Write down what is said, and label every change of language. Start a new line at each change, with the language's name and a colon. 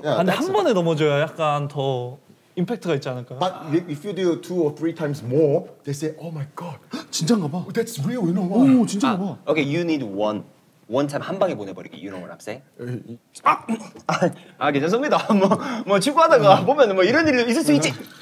Korean: 근데 한 번에 넘어져야 약간 더. 임팩트가 있지 않을까요?
English: But if you do two or three times more, they say, oh my god,
Korean: 진짠가 봐.
English: That's real, you know what?
Korean: 오, 진짠가 봐.
English: Okay, you need one time
Korean: 한 방에 보내버리기,
English: you know what I'm saying?
Korean: 아, 괜찮습니다. 뭐 친구하다가 보면 뭐 이런 일이 있을 수 있지.